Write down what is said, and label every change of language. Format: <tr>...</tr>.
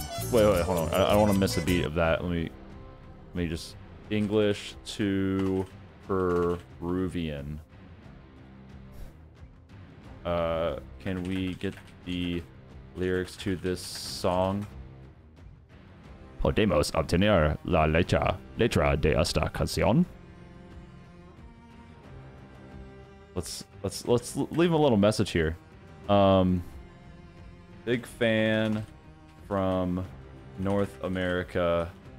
<en>Wait, hold on. I don't want to miss a beat of that. Let me just English to Peruvian. Can we get the lyrics to this song?</en> <es>Podemos obtener la letra de esta canción.</es> <en>Let's leave a little message here. Big fan from North America.</en>